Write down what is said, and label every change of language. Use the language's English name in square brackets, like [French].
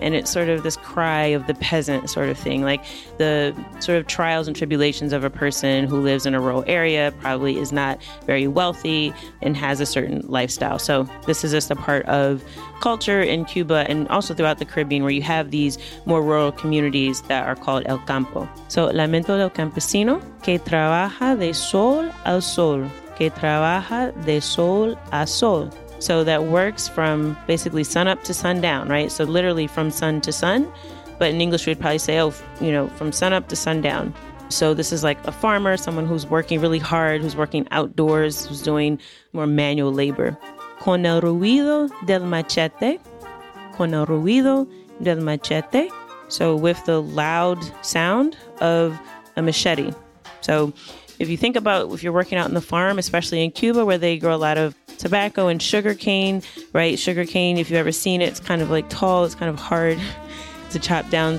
[English] And it's sort of this cry of the peasant sort of thing, like the sort of trials and tribulations of a person who lives in a rural area, probably is not very wealthy and has a certain lifestyle. So this is just a part of culture in Cuba and also throughout the Caribbean, where you have these more rural communities that are called El Campo. [Spanish] So Lamento del Campesino, que trabaja de sol a sol, que trabaja de sol a sol. [English] So that works from basically sun up to sundown, right? So literally from sun to sun. But in English, we'd probably say, from sun up to sundown. So this is like a farmer, someone who's working really hard, who's working outdoors, who's doing more manual labor. [Spanish] con el ruido del machete, con el ruido del machete. [English] So with the loud sound of a machete. So if you think about if you're working out on the farm, especially in Cuba where they grow a lot of tobacco and sugar cane, right? Sugar cane, if you've ever seen it, it's kind of like tall, it's kind of hard to chop down.